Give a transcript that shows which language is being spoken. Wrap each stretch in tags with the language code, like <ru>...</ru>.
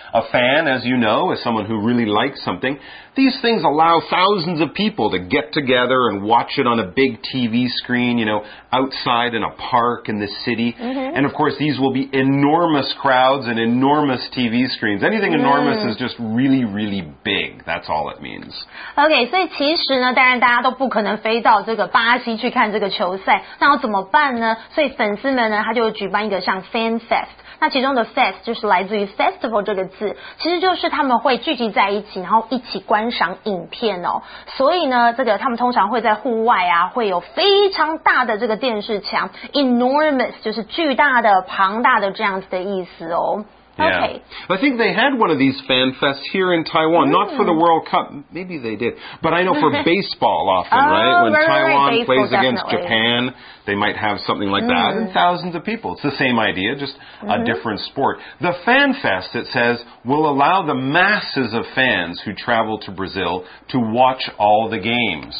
<en>A fan, as you know, is someone who really likes something. These things allow thousands of people to get together and watch it on a big TV screen, you know, outside in a park in the city. And of course these will be enormous crowds and enormous TV screens. Anything enormous is just really, really big. That's all it means.</en> <zh>Okay, 所以其实呢，当然大家都不可能飞到这个巴西去看这个球赛，那要怎么办呢？所以粉丝们呢，他就举办一个像 fan fest。那其中的 fest 就是来自于 festival 这个字，其实就是他们会聚集在一起，然后一起观赏影片哦。所以呢，这个他们通常会在户外啊，会有非常大的这个电视墙 ，enormous 就是巨大的、庞大的这样子的意思哦。 Yeah.</zh> <en>I think they had one of these fan fests here in Taiwan, not for the World Cup. Maybe they did. But I know for baseball often, right? When Taiwan plays against Japan, they might have something like that. And thousands of people. It's the same idea, just a different sport. The fan fest, it says, will allow the masses of fans who travel to Brazil to watch all the games.</en>